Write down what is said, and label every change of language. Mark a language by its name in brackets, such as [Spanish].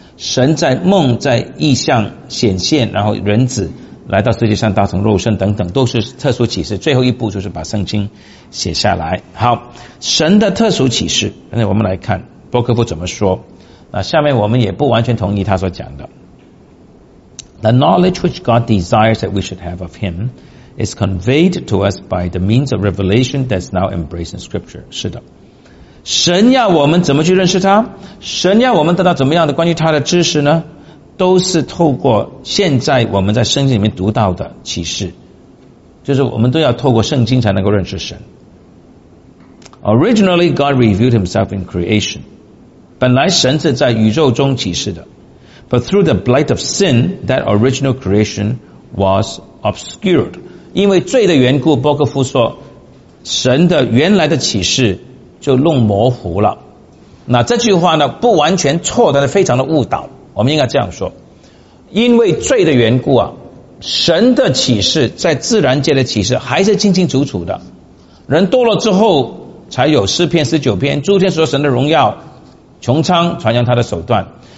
[Chinese] 神在梦在异象显现，然后人子来到世界上道成肉身等等，都是特殊启示。最后一步就是把圣经写下来。好，神的特殊启示，那我们来看伯克夫怎么说啊。下面我们也不完全同意他所讲的。 [English] The knowledge which God desires that we should have of Him is conveyed to us by the means of revelation that's now embraced in Scripture. [Chinese] 是的，神要我们怎么去认识他？神要我们得到怎么样的关于他的知识呢？都是透过现在我们在圣经里面读到的启示，就是我们都要透过圣经才能够认识神。 [English] Originally, God revealed Himself in creation. [Chinese] 本来神是在宇宙中启示的。 [English] But through the blight of sin, that original creation was obscured. [Chinese] 因为罪的缘故，伯克夫说，神的原来的启示就弄模糊了。那这句话呢不完全错，但是非常的误导，我们应该这样说，因为罪的缘故啊，神的启示在自然界的启示还是清清楚楚的，人堕落之后才有诗篇十九篇，诸天说神的荣耀，穹苍传扬他的手段。